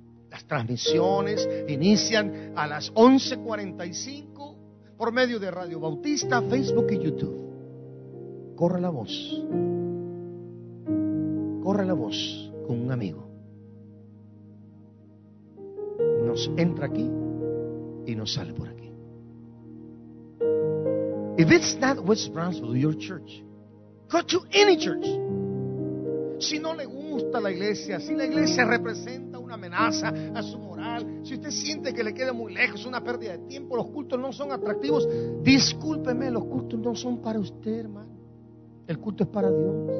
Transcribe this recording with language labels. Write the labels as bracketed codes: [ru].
[es] Las transmisiones inician a las 11:45 por medio de Radio Bautista, Facebook y YouTube. Corra la voz. Corra la voz con un amigo. Nos entra aquí y nos sale por aquí. [en] If it's not West Brownsville, your church, go to any church. [es] Si no le gusta la iglesia, si la iglesia representa una amenaza a su moral, si usted siente que le queda muy lejos, una pérdida de tiempo, los cultos no son atractivos, discúlpeme, los cultos no son para usted, hermano. El culto es para Dios.